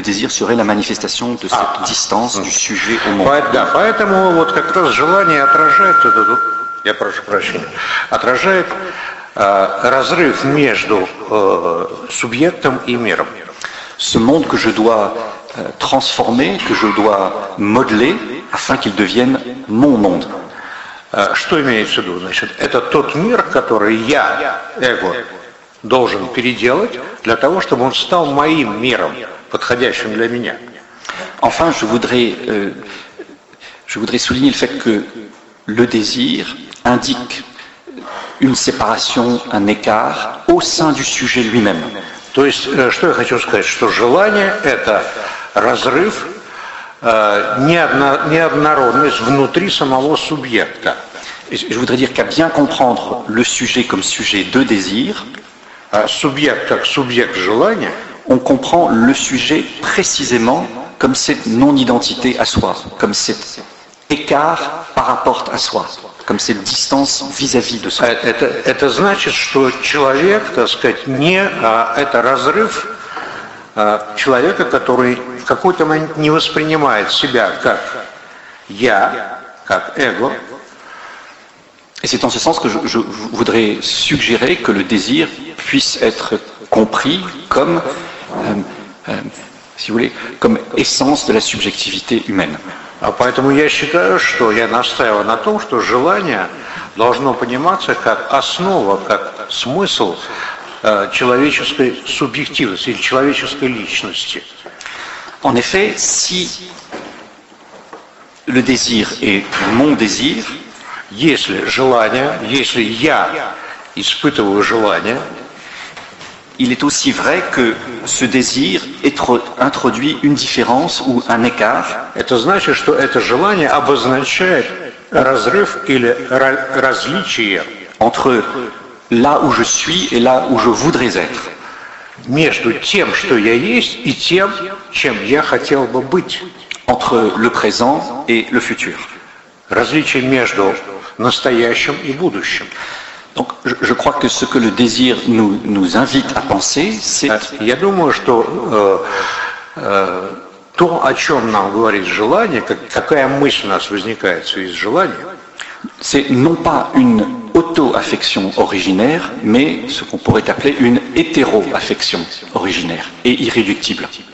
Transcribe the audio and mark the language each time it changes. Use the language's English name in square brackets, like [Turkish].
[French] désir serait la manifestation de cette distance du sujet au monde. [Russian] Да, поэтому вот как раз желание отражает это, я прошу прощения, отражает разрыв между субъектом и миром. [French] Ce monde que je dois transformer, que je dois modeler, afin qu'il devienne mon monde. [Russian] Что имеется в виду? Значит, это тот мир, который я, эго, должен переделать для того, чтобы он стал моим миром, подходящим для меня. [French] Enfin, je voudrais souligner le fait que le désir indique une séparation, un écart au sein du sujet lui-même. [Russian] То есть, что я хочу сказать, что желание – это разрыв, неоднородность внутри самого субъекта. [French] Je voudrais dire qu'à bien comprendre le sujet comme sujet de désir, [Russian] субъект как субъект желания, [French] on comprend le sujet précisément comme cette non-identité à soi, comme cet écart par rapport à soi, comme cette distance vis-à-vis de soi. [Russian] Это значит, что человек, так сказать, не это разрыв человека, который в какой-то момент не воспринимает себя как я, как эго. [French] Et c'est en ce sens que je voudrais suggérer que le désir puisse être compris comme, si vous voulez, comme essence de la subjectivité humaine. [Russian] Поэтому я считаю, что я настаиваю на том, что желание должно пониматься как основа, как смысл человеческой субъективности или человеческой личности. [French] En effet, si le désir est mon désir. [Russian] Если желание, если я испытываю желание, [French] il est aussi vrai que ce désir introduit une différence ou un écart. [Russian] Это значит, что это желание обозначает разрыв или различие [French] entre là où je suis et là où je voudrais être. [Russian] Между тем, что я есть, и тем, чем я хотел бы быть. [French] Entre le présent et le futur. [Russian] Различие между настоящим и будущим. [French] Donc, je crois que ce que le désir nous invite à penser, c'est... [Russian] Я думаю, что то, о чем нам говорит желание, какая мысль у нас возникает в связи с желанием, [French] c'est non pas une auto-affection originaire, mais ce qu'on pourrait appeler une hétéro-affection originaire et irréductible.